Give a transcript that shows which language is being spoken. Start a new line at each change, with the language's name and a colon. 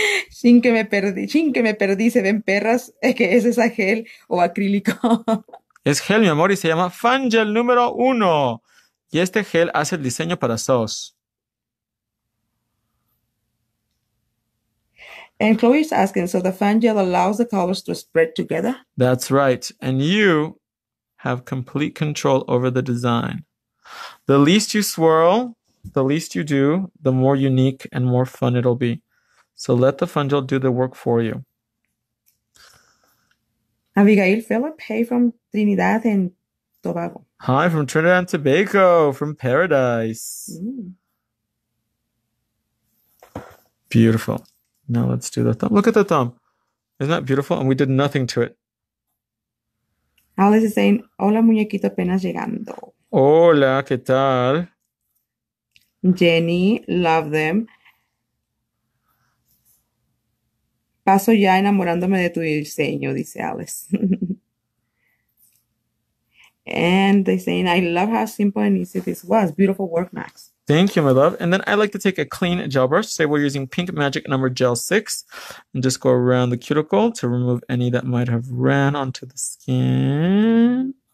Spanish: Sin que me perdí, sin que me perdí, se ven perras, es que ese es a gel o acrílico. Es gel, mi amor, y se llama Fun Gel número uno. Y este gel hace el diseño para SOS.
English: And Chloe is asking, so the Fun Gel allows the colors to spread together? That's right. And you have complete control over the design. The least you swirl, the least you do, the more unique and more fun it'll be. So let the Fun Gel do the work for you. Abigail Philip, hey, from Trinidad and Tobago. Hi, from Trinidad and Tobago, from paradise. Mm. Beautiful. Now let's do the thumb. Look at the thumb. Isn't that beautiful? And we did nothing to it.
Spanish: Alice
English: is saying,
Spanish: hola, muñequito, apenas llegando. Hola, ¿qué tal?
English: Jenny, love them.
Spanish: Paso ya enamorándome de tu diseño, dice Alice.
English: And they're saying, I love how simple and easy this was. Beautiful work, Max. Thank you, my love. And then I like to take a clean gel brush. Say we're using Pink Magic number gel 6. And just go around the cuticle to remove any that might have ran onto the skin.